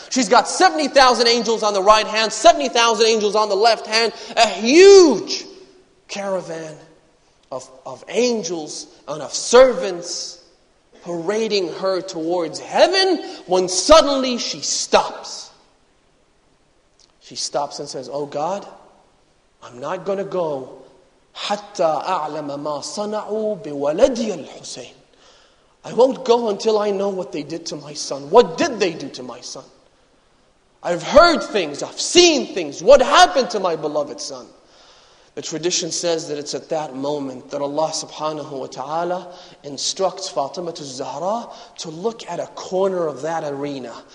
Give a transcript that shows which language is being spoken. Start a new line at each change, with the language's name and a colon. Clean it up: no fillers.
English: She's got 70,000 angels on the right hand, 70,000 angels on the left hand, a huge caravan of angels and of servants parading her towards heaven when suddenly she stops. She stops and says, Oh God, I'm not going to go
Arabic: حَتَّى أَعْلَمَ مَا صَنَعُوا بِوَلَدِيَ الْحُسَيْنِ.
English: I won't go until I know what they did to my son. What did they do to my son? I've heard things, I've seen things. What happened to my beloved son? The tradition says that it's at that moment that Allah subhanahu wa ta'ala instructs Fatima al-Zahra to look at a corner of that arena.